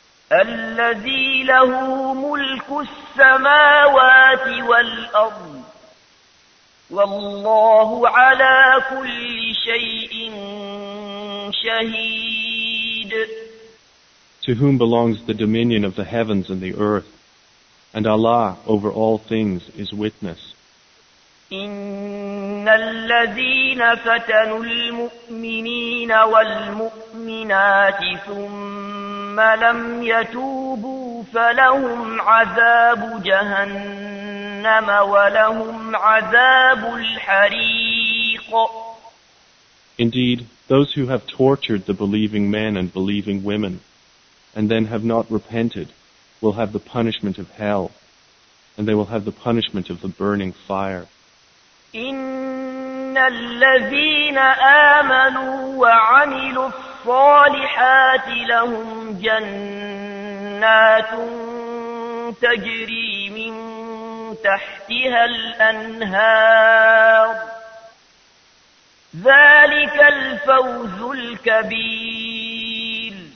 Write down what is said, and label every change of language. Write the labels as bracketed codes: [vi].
[ar] الَّذِي لَهُ مُلْكُ السَّمَاوَاتِ وَالْأَرْضِ وَاللَّهُ عَلَى كُلِّ شَيْءٍ شَهِيدٌ. [en] To whom belongs the dominion of the heavens and the earth, and Allah over all things is witness. [ar] إن الذين فتنوا المؤمنين والمؤمنات ثم لم يتوبوا فلهم عذاب جهنم ولهم عذاب الحريق. [en] Indeed, those who have tortured the believing men and believing women, and then have not repented, will have the punishment of hell, and they will have the punishment of the burning fire. [ar] إِنَّ الَّذِينَ آمَنُوا وَعَمِلُوا الصَّالِحَاتِ لَهُمْ جَنَّاتٌ تَجْرِي مِنْ تَحْتِهَا الْأَنْهَارُ ذَلِكَ الْفَوْزُ الْكَبِيرُ.